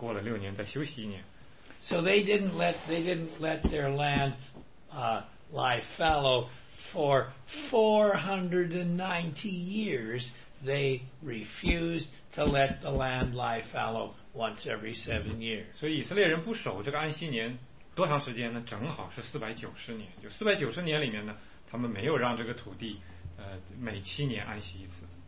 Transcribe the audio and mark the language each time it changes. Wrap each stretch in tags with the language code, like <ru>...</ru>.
<zh>所以，但是以色列人说呢，哎呀，这个事情我们就不用想那么多了。每年都收成，不是多很好吗？不用想什么过了6年再休息一年。So</zh> <en>they didn't let their land lie fallow. For 490 years, they refused to let the land lie fallow once every 7 years.</en> <zh>所以以色列人不守这个安息年多长时间呢？正好是490年。就490年里面呢，他们没有让这个土地每7年安息一次。</zh>